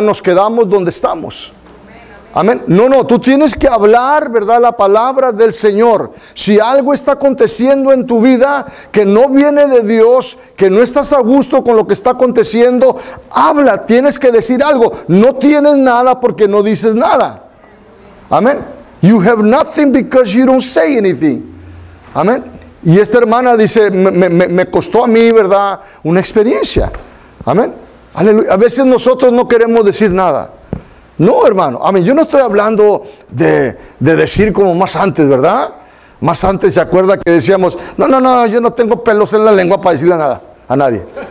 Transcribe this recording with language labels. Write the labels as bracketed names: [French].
[Spanish] Nos quedamos donde estamos. Amén. No, no, tú tienes que hablar, ¿verdad? La palabra del Señor. Si algo está aconteciendo en tu vida que no viene de Dios, que no estás a gusto con lo que está aconteciendo, habla, tienes que decir algo. No tienes nada porque no dices nada. Amén. [English] You have nothing because you don't say anything. [Spanish] Amén. Y esta hermana dice, me costó a mí, ¿verdad?, una experiencia. Amén. Aleluya. A veces nosotros no queremos decir nada. No, hermano. Amén. Yo no estoy hablando de decir como más antes, ¿verdad? Más antes, ¿se acuerda que decíamos? No, no, no, yo no tengo pelos en la lengua para decirle nada a nadie.